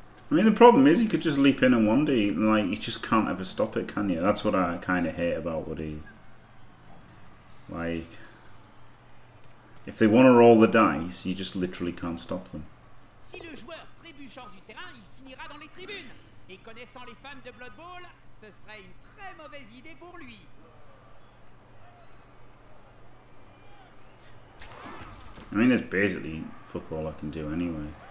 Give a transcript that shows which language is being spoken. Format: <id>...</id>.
<en>I mean, the problem is you could just leap in and 1D, and like, you just can't ever stop it, can you? That's what I kind of hate about Woody's. Like, if they want to roll the dice, you just literally can't stop them.</en> <fr>Si le joueur trébuche hors du terrain, il finira dans les tribunes. Et connaissant les fans de Blood Bowl, ce serait une très mauvaise idée pour lui.</fr> <en>I mean, that's basically fuck all I can do anyway.</en>